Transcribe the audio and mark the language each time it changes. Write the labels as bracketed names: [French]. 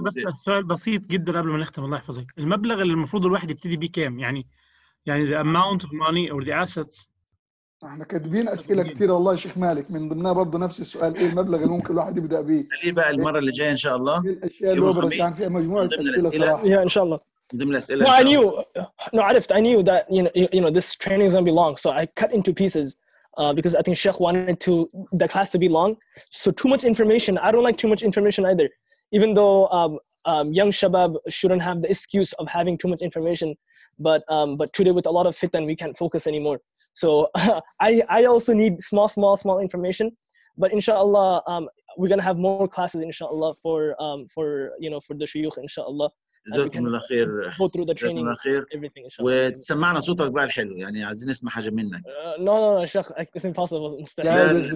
[Arabic] بس السؤال بسيط جدا قبل ما نختم الله يحفظك المبلغ اللي المفروض الواحد يبتدي بيه كام يعني [English] the amount of money or the assets [Arabic] احنا كاتبين اسئلة كتيرة والله شيخ مالك من ضمنها برضو نفس السؤال ايه المبلغ اللي ممكن الواحد يبدأ بيه خليه بقى المرة اللي جاية ان شاء الله الاشياء الوبرة كان فيها مجموعة اسئلة صراحة ان شاء الله ضمن الاسئلة [English] no, I knew no, I knew that you know this training is gonna be long so I cut into pieces because I think Sheikh wanted to the class to be long so too much information I don't like too much information either even though young shabab shouldn't have the excuse of having too much information but today with a lot of fitan we can't focus anymore So I also need small information But inshallah, we're gonna have more classes inshallah for you know for the shuyukh inshallah. [Arabic] جزاكم الله خير. [English] Go through the training. [Arabic] وتسمعنا صوتك بقى الحلو يعني عايزين نسمع حاجة منك. [English] No no no شيخ it's impossible [Arabic] مستحيل.